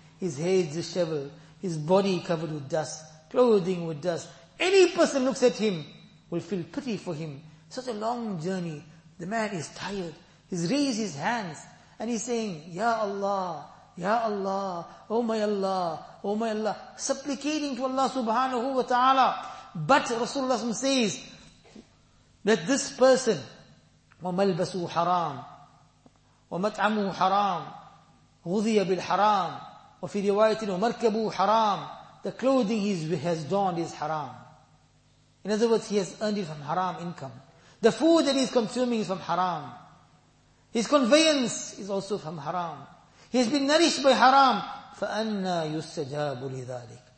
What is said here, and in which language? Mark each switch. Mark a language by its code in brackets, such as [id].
[en] His hair is disheveled, his body covered with dust, clothing with dust. Any person looks at him will feel pity for him. Such a long journey. The man is tired. He's raised his hands and he's saying, Ya Allah, Ya Allah, Oh my Allah, Oh my Allah. Supplicating to Allah subhanahu wa ta'ala. But Rasulullah says that this person, [ar] وَمَلْبَسُوا حَرَامٌ وَمَتْعَمُوا حَرَامٌ غُذِيَ بِالْحَرَامٌ وَفِي رِوَايَةٍ وَمَرْكَبُوا حَرَامٌ. [en] The clothing he has donned is haram. In other words, he has earned it from haram income. The food that he's consuming is from haram. His conveyance is also from haram. He has been nourished by haram. [ar] فَأَنَّا يُسْتَجَابُ لِذَلِكَ.